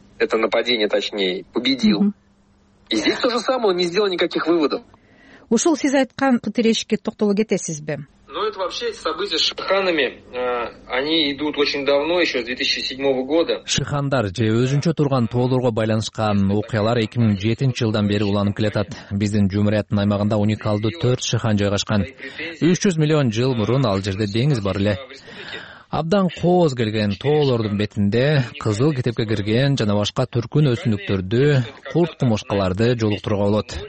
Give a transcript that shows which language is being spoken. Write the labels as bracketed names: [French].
[Russian] Это нападение, точнее, победил. И здесь то же самое, он не сделал никаких выводов. [Kyrgyz] Ушул сиз айткан тирешке токтоло кетесизби? [Russian] Но это вообще события с шиханами, они идут очень давно, еще с 2007 года. [Kyrgyz] Шихандар же өзүнчө турган тоолорго байланышкан окуялар 2007 жылдан бери уланып келатат. Биздин жумуряттын аймагында уникалдуу 4 шихан жайгашкан. 300 миллион жыл мурун ал жерде деңиз бар эле. Абдан кооз келген тоолордун бетинде кызыл китепке кирген жана башка түркүн өсүмдүктөрдү, курт кумушкаларды жолуктурууга болот.